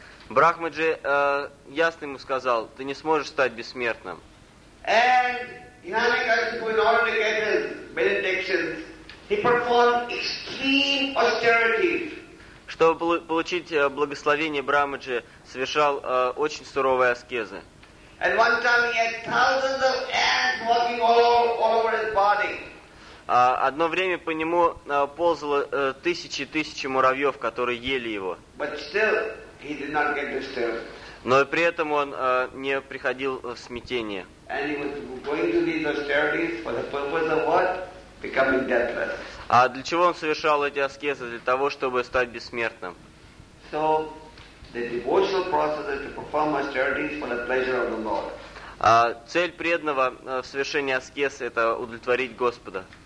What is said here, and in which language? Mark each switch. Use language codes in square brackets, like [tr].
[ru] Брахмаджи ясно ему сказал, ты не сможешь стать бессмертным. [en] And Hirani Kashipu, in order to get his benedictions, he performed extreme austerities. [ru] чтобы получить благословение Брахмаджи, совершал очень суровые аскезы. [en] And one time he had thousands of ants walking all over his body. [ru] Одно время по нему ползало тысячи и тысячи муравьев, которые ели его. [en] But still, he did not get disturbed. [ru] Но при этом он не приходил в смятение. [en] And he was going to these austerities for the purpose of what? Becoming deathless. [ru] А для чего он совершал эти аскезы? Для того, чтобы стать бессмертным. [en] So, the devotional process is to perform austerities for the pleasure of the Lord. [ru] Цель преданного в совершении аскез – это удовлетворить Господа.